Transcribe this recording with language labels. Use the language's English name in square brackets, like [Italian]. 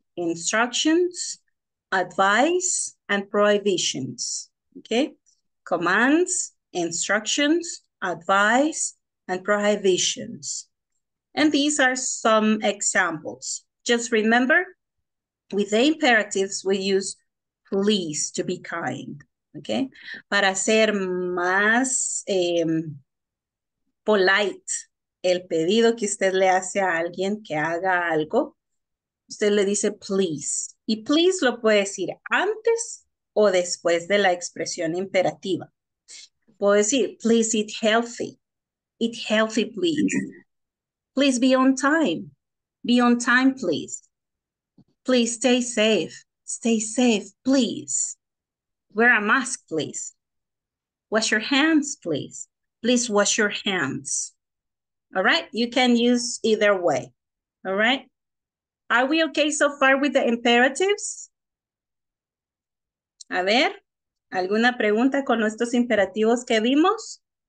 [English] Instructions, advice, and prohibitions. Okay? Commands, instructions, advice, and prohibitions. And these are some examples. Just remember, with the imperatives, we use please, to be kind, okay? [Spanish] Para ser más polite, el pedido que usted le hace a alguien que haga algo, usted le dice please. Y please lo puede decir antes o después de la expresión imperativa. Puedo decir, [English] please eat healthy. Eat healthy, please. Please be on time. Be on time, please. Please stay safe. Stay safe, please. Wear a mask, please. Wash your hands, please. Please wash your hands. All right? You can use either way. All right? Are we okay so far with the imperatives? [Spanish] A ver, ¿alguna pregunta con nuestros imperativos que vimos?